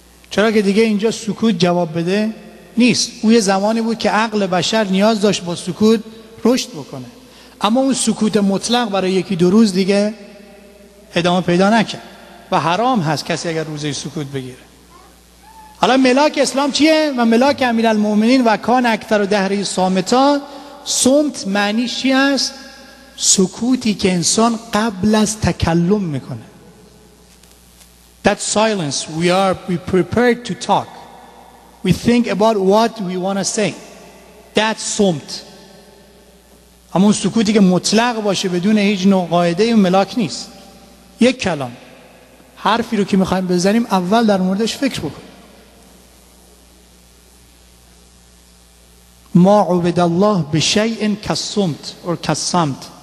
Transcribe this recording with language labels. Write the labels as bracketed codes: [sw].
[fa] چرا که دیگه اینجا سکوت جواب بده نیست. او یه زمانی بود که عقل بشر نیاز داشت با سکوت رشد بکنه، اما اون سکوت مطلق برای یکی دو روز دیگه ادامه پیدا نکرد و حرام هست کسی اگر روزه سکوت بگیره. حالا ملاک اسلام چیه؟ و ملاک امیرالمومنین و [ar] کان اکثر و دهری صامتا، [fa] صمت معنیش چی است؟ سکوتی که انسان قبل از تکلم میکنه. [en] That silence, we prepared to talk. We think about what we want to say. That's sumt. [fa] همون سکوتی که مطلق باشه، بدون هیچ نوع قاعده و ملاک نیست. یک کلام، حرفی رو که میخواییم بزنیم اول در موردش فکر بکنیم. [ar] ما عبد الله بشیء کالصمت اور کالصمت.